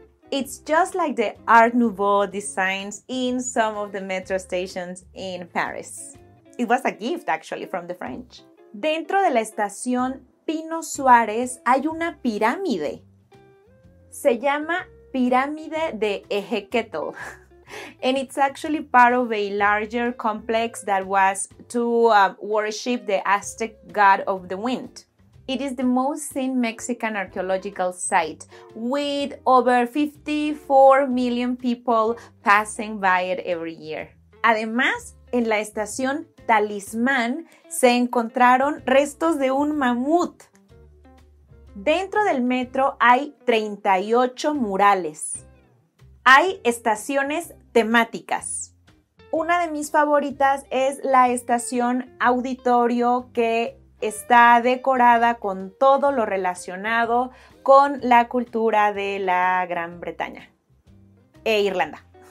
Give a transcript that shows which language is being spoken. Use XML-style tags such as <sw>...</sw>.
<en>It's just like the Art Nouveau designs in some of the metro stations in Paris. It was a gift, actually, from the French.</en> <es>Dentro de la estación Pino Suárez hay una pirámide. Se llama Pirámide de Ejequetl.</es> <en>And it's actually part of a larger complex that was to worship the Aztec god of the wind. It is the most seen Mexican archaeological site, with over 54 million people passing by it every year.</en> <es>Además, en la estación Talismán se encontraron restos de un mamut. Dentro del metro hay 38 murales. Hay estaciones temáticas. Una de mis favoritas es la estación Auditorio, que está decorada con todo lo relacionado con la cultura de la Gran Bretaña e Irlanda.</es>